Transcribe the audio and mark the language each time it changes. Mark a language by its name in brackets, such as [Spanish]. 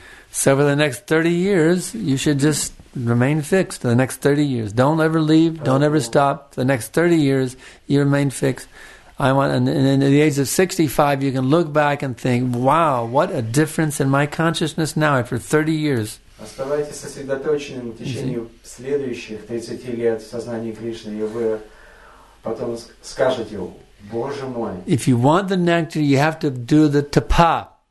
[English] So for the next 30 years, you should just remain fixed. The next 30 years. Don't ever leave. Don't ever stop. The next 30 years, you remain fixed. I want, and at the age of 65, you can look back and think, wow, what a difference in my consciousness now after 30 years. [Russian] Оставайтесь сосредоточенным в течение следующих 30 лет в сознании Кришны, и вы потом скажете, Боже мой. [English] If you want the nectar, you have to do the tapa.